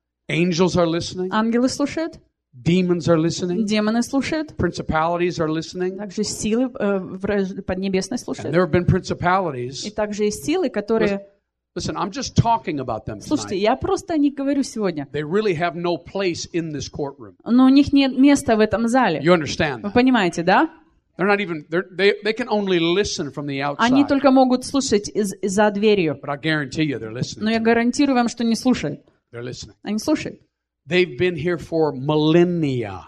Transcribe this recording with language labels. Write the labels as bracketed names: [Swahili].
[English] Angels are listening. [Russian] Ангелы слушают. [English] Demons are listening. [Russian] Демоны слушают. [English] Principalities are listening. [Russian] Также силы поднебесной слушают. [English] And there have been principalities. [Russian] И также есть силы, которые. [English] Listen, I'm just talking about them. [Russian] Слушайте, [English] tonight. [Russian] Я просто о них говорю сегодня. [English] They really have no place in this courtroom. [Russian] Но у них нет места в этом зале. [English] You understand? [Russian] Вы понимаете, да? [English] They're not even. They can only listen from the outside. [Russian] Они только могут слушать за дверью. [English] But I guarantee you, they're listening. [Russian] Но я гарантирую вам, что не слушают. [English] They're listening. [Russian] Они слушают. [English] They've been here for millennia.